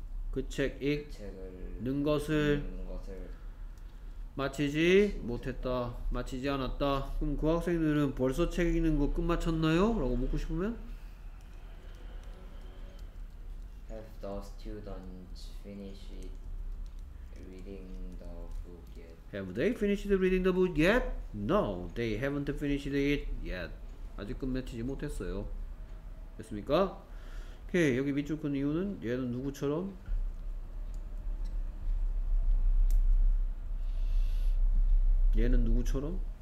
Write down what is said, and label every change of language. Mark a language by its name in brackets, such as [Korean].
[Korean] 그 책 읽는 것을 마치지 못했다. 마치지 않았다. 그럼 그 학생들은 벌써 책 읽는 거 끝마쳤나요? 라고 묻고 싶으면 [English] Have the students finished reading the book yet? Have they finished reading the book yet? No, they haven't finished it yet. [Korean] 아직 끝마치지 못했어요. 됐습니까? 오케이, 여기 밑줄 끈 이유는 얘는 누구처럼? 얘는 누구처럼?